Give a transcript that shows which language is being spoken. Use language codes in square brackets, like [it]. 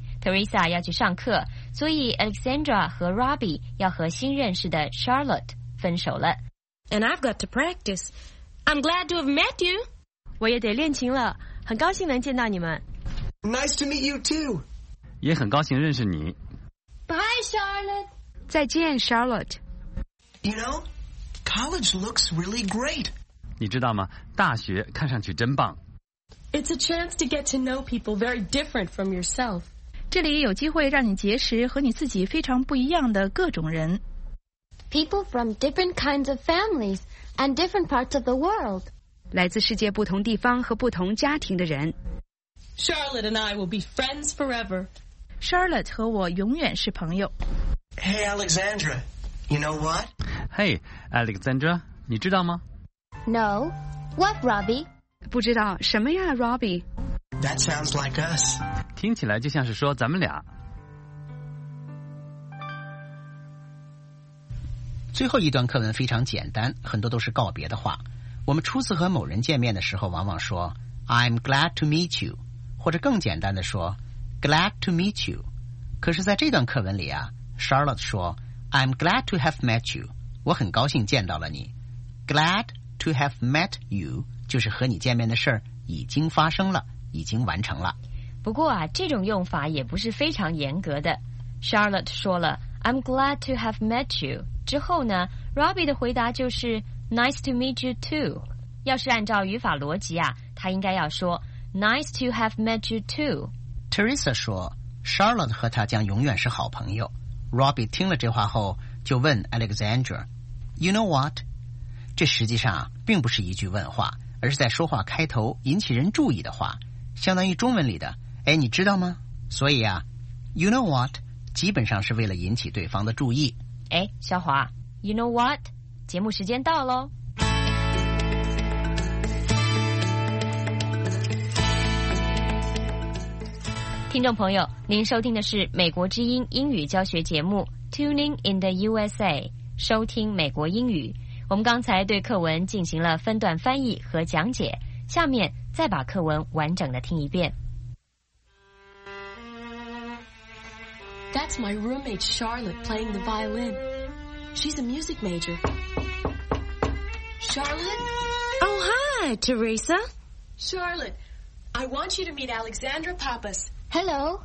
[zh] Teresa 要去上课，所以 Alexandra 和 Robbie 要和新认识的 Charlotte 分手了。 [en] And I've got to practice. I'm glad to have met you. [zh] 我也得练琴了，很高兴能见到你们。 [en] Nice to meet you too. [zh] 也很高兴认识你。 [en] Bye, Charlotte. [zh] 再见 ，Charlotte. [en] You know. College looks really great. [zh] 你知道吗？大学看上去真棒。 [en] It's a chance to get to know people very different from yourself. [zh] 这里有机会让你结识和你自己非常不一样的各种人。 [en] People from different kinds of families and different parts of the world. [zh] 来自世界不同地方和不同家庭的人。 [en] Charlotte and I will be friends forever. [zh] Charlotte 和我永远是朋友。 [en] Hey, Alexandra. You know what? [zh] Hey, Alexandra, 你知道吗？ [en] No. What, Robbie? [zh] 不知道什么呀 ，Robbie? [en] That sounds like us. [zh] 听起来就像是说咱们俩。最后一段课文非常简单，很多都是告别的话。我们初次和某人见面的时候，往往说 [en] "I'm glad to meet you"， [zh] 或者更简单的说 [en] "glad to meet you"。 [zh] 可是，在这段课文里啊 ，Charlotte 说。 [en] I'm glad to have met you. [zh] 我很高兴见到了你。 [en] Glad to have met you [zh] 就是和你见面的事儿已经发生了，已经完成了。不过啊，这种用法也不是非常严格的。 Charlotte 说了 [en] I'm glad to have met you [zh] 之后呢， Robbie 的回答就是 [en] Nice to meet you too. [zh] 要是按照语法逻辑啊，他应该要说 [en] Nice to have met you too. [zh] Teresa 说 Charlotte 和他将永远是好朋友。 Robbie 听了这话后就问 Alexandra， [en] You know what？ [zh] 这实际上并不是一句问话，而是在说话开头引起人注意的话，相当于中文里的哎，你知道吗？所以啊 [en] You know what [zh] 基本上是为了引起对方的注意。哎，小华 [en] You know what， [zh] 节目时间到咯。听众朋友，您收听的是美国之音英语教学节目 Tuning in the USA， 收听美国英语。我们刚才对课文进行了分段翻译和讲解，下面再把课文完整的听一遍。 [en] That's my roommate Charlotte playing the violin. She's a music major. Charlotte? Oh, hi, Teresa. Charlotte, I want you to meet Alexandra Pappas. Hello.